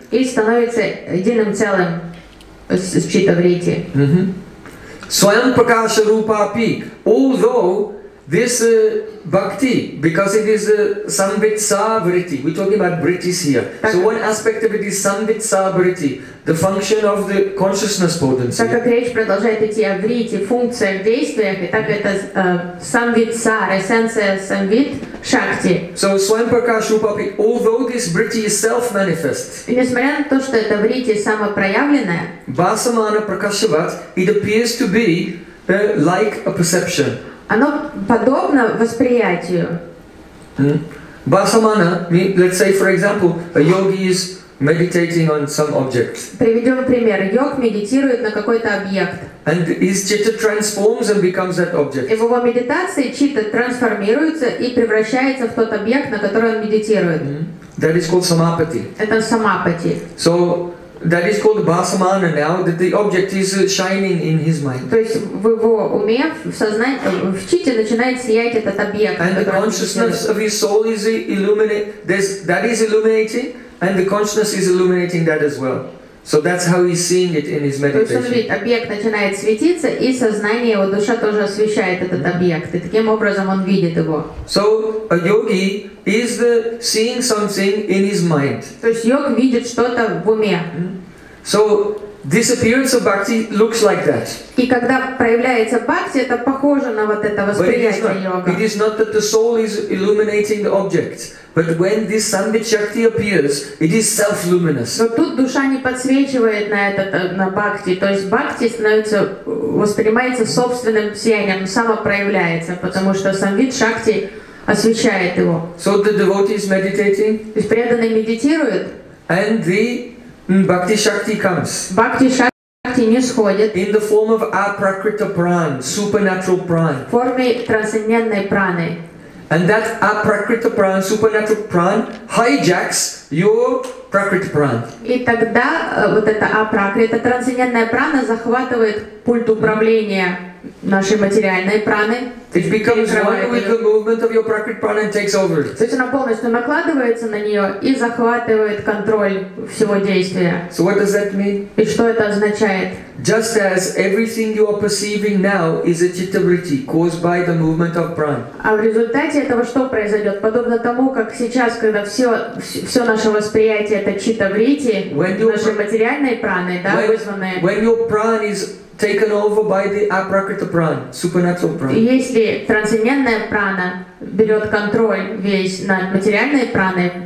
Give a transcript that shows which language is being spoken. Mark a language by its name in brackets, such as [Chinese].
[Russian] И становится единым целым с citta vritti. [Sanskrit] Swayam prakasha rupa api. [English] Although this bhakti, because it is samvitsa vritti, we're talking about vrittis here. So one aspect of it is samvitsa vritti, the function of the consciousness potency. [Russian] Так как речь продолжает идти о вритти, функциях, действиях, и так это самвитса, эссенция самвит, шакти. [English] So [Sanskrit] swayam prakasha rupapi, [English] although this vritti is self-manifest. [Russian] И несмотря на то, что это вритти самопроявленное, [Sanskrit] basamana prakashavat, [English] it appears to be like a perception. [Russian] Оно подобно восприятию. [English] Basamana, let's say for example, a yogi is meditating on some object. [Russian] Приведем пример. Йог медитирует на какой-то объект. [English] And his chitta transforms and becomes that object. [Russian] И в его медитации чита трансформируется и превращается в тот объект, на который он медитирует. [English] That is called samapati. [Russian] Это самапати. [English] So that is called basamana now, that the object is shining in his mind. [Russian] То есть в его уме, в сознании, в чите начинает сиять этот объект. [English] And the consciousness of his soul is illuminating. And the consciousness is illuminating that as well. So that's how he's seeing it in his meditation. [Russian] То есть объект начинает светиться, и сознание, его душа тоже освещает этот объект, и таким образом он видит его. [English] So a yogi is seeing something in his mind. [Russian] То есть йог видит что-то в уме. [English] So this appearance of bhakti looks like that. [Russian] И когда проявляется бхакти, это похоже на вот это восприятие йога. [English] It is not that the soul is illuminating the object. But when this samvit shakti appears, it is self-luminous. [Russian] Но тут душа не подсвечивает на этот на бхакти, то есть бхакти становится воспринимается собственным сиянием, самопроявляется, потому что самвит шакти освещает его. [English] So the devotee is meditating. [Russian] И преданный медитирует. [English] And the bhakti shakti comes. [Russian] Бхакти шакти не сходит. [English] In the form of aprakrita pran, supernatural pran. [Russian] В форме трансцендентной праны. [English] And that aprakrita pran, supernatural pran, hijacks your prakrita pran. [Russian] И тогда вот эта апракрита, трансцендентная прана, захватывает пульт управления нашей материальной праны. [English] It becomes one with the movement of your prakrita pran and takes over. [Russian] То есть она полностью накладывается на нее и захватывает контроль всего действия. [English] So what does that mean? [Russian] И что это означает? [English] Just as everything you are perceiving now is a citta vritti caused by the movement of prana. [Russian] А в результате этого что произойдет? Подобно тому, как сейчас, когда все наше восприятие это citta vritti, нашей материальной праны, да, вызванной. [English] When your prana is taken over by the aprakrita prana, supernatural prana. [Russian] Если трансцендентная прана берет контроль весь над материальной праной,